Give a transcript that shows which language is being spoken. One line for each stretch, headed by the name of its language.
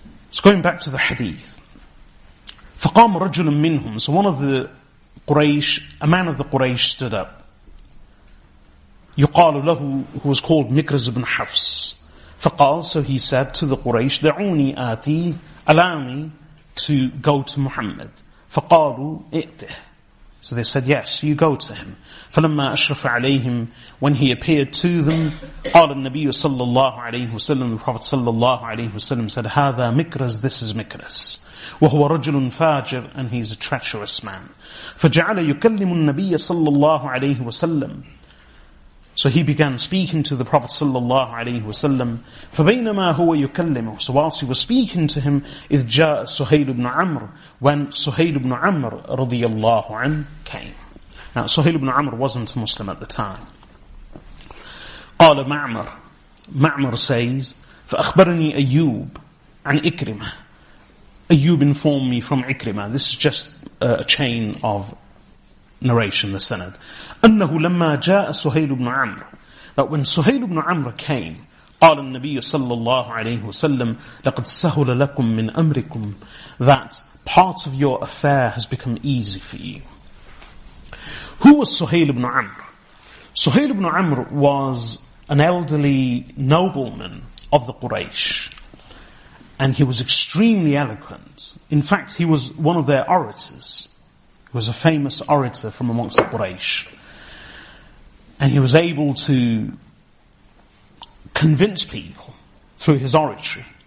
English: So going back to the hadith.
Arabic: فَقَامْ رَجُلٌ مِّنْهُمْ
English: So one of the Quraysh, a man of the Quraysh stood up.
Arabic: يُقَالُ لَهُ
English: Who was called Mikrz ibn Hafs.
Arabic: فَقَالْ
English: So he said to the Quraysh,
Arabic: دَعُونِي آتِي
English: Allow me to go to Muhammad.
Arabic: فَقَالُوا إِئْتِهِ
English: So they said, yes, you go to him.
Arabic: فَلَمَّا أَشْرَفَ عَلَيْهِمْ
English: When he appeared to them,
Arabic: قَالَ النَّبِيُّ صَلَّى اللَّهُ عَلَيْهُ وَسَلَّمُ
English: The Prophet
Arabic: صَلَّى اللَّهُ عَلَيْهُ وَسَلَّمُ said, هَذَا مِكْرَزْ
English: This is
Arabic: مِكْرَزْ وَهُوَ رَجُلٌ فَاجِرٌ
English: And he is a treacherous man.
Arabic: فَجَعَلَ يُكَلِّمُ النَّبِيَّ صَلَّى اللَّهُ عَلَيْهُ وَسَلَّمُ
English: So he began speaking to the Prophet sallallahu alayhi wa sallam.
Arabic: فَبَيْنَمَا هُوَ يُكَلِّمُهُ
English: So whilst he was speaking to him,
Arabic: إِذْ جَاءَ
English: Suhail ibn Amr, when Suhail ibn Amr radiallahu anhu came. Now Suhail ibn Amr wasn't a Muslim at the time.
Arabic: قَالَ مَعْمَر
English: Ma'mar says,
Arabic: فَأَخْبَرَنِي أَيُّوب عَنْ إِكْرِمَة
English: Ayyub informed me from Ikrima. This is just a chain of narration, the Sanad.
Arabic: أَنَّهُ لَمَّا جَاءَ سُهَيْلُ بْنُ عَمْرُ
English: That when Suhail ibn Amr came,
Arabic: قَالَ النَّبِيُّ صَلَّى اللَّهُ عَلَيْهُ وَسَلَّمْ لَقَدْ سَهُلَ لَكُمْ مِنْ أَمْرِكُمْ
English: That part of your affair has become easy for you. Who was Suhail ibn Amr? Suhail ibn Amr was an elderly nobleman of the Quraysh. And he was extremely eloquent. In fact, he was one of their orators. Was a famous orator from amongst the Quraysh. And he was able to convince people through his oratory.